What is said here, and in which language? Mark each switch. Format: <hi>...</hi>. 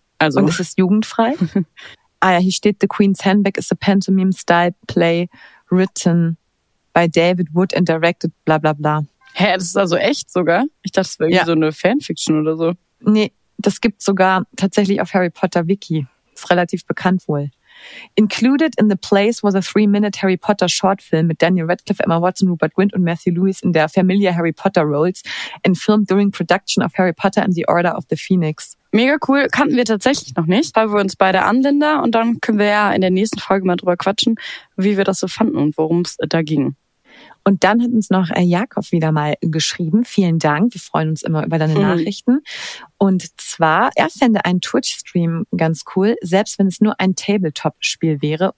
<de>Also, und ist es jugendfrei? Ah ja, hier steht,</de> <en>The Queen's Handbag is a pantomime-style play written by David Wood and directed bla bla bla.</en> <de>Hä, das ist also echt sogar? Ich dachte, es wäre irgendwie so eine Fanfiction oder so. Nee, das gibt sogar tatsächlich auf Harry Potter Wiki. Ist relativ bekannt wohl.</de> <en>Included in the plays was a 3-minute Harry Potter short film</en> <de>mit</de> <en>Daniel Radcliffe, Emma Watson, Rupert Grint</en> <de>und</de> <en>Matthew Lewis in their familiar Harry Potter roles and filmed during production of Harry Potter and the Order of the Phoenix.</en> <de>Mega cool, kannten wir tatsächlich noch nicht, weil wir uns beide Anländer und dann können wir ja in der nächsten Folge mal drüber quatschen, wie wir das so fanden und worum es da ging. Und dann hat uns noch Jakob wieder mal geschrieben. Vielen Dank. Wir freuen uns immer über deine Nachrichten. Und zwar, er fände einen Twitch-Stream ganz cool, selbst wenn es nur ein Tabletop-Spiel wäre.</de>